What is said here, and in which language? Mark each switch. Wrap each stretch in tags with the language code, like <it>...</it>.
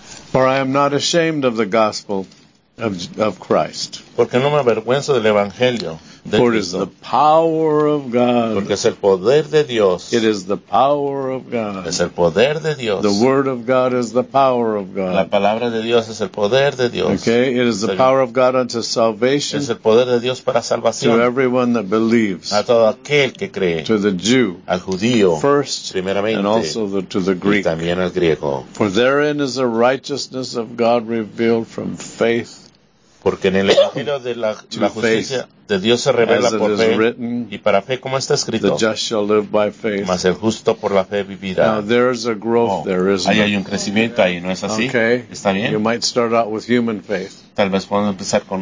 <en>For I am not ashamed of the gospel of Christ.</en> <es>Porque no me avergüenzo del evangelio de</es> <en>Cristo. For it is the power of God.</en> <es>Porque es el poder de Dios.</es> <en>It is the power of God.</en> <es>Es el poder de Dios.</es> <en>The word of God is the power of God.</en> <es>La palabra de Dios es el poder de Dios.</es> <en>Okay, it is the power of God unto salvation.</en> <es>Es el poder de Dios para salvación.</es> <en>To everyone that believes.</en> <es>A todo aquel que cree.</es> <en>To the Jew.</en> <es>Al judío.</es> <en>First.</en> <es>Primeramente.</es> <en>And also to the Greek.</en> <es>Y también al griego.</es> <en>For therein is the righteousness of God revealed from faith.</en> <es>Porque en el Evangelio de la justicia de Dios se revela por fe</es> <en>written,</en> <es>y para fe como está escrito, mas el justo por la fe vivirá.</es> <en>Now, there's a growth oh, there, isn't</en> <es>ahí hay un crecimiento ahí, ¿no es así?</es> <en>Okay.</en> <es>¿Está bien?</es> <en>You might start out with human faith.</en> <es>Tal vez podemos empezar con</es>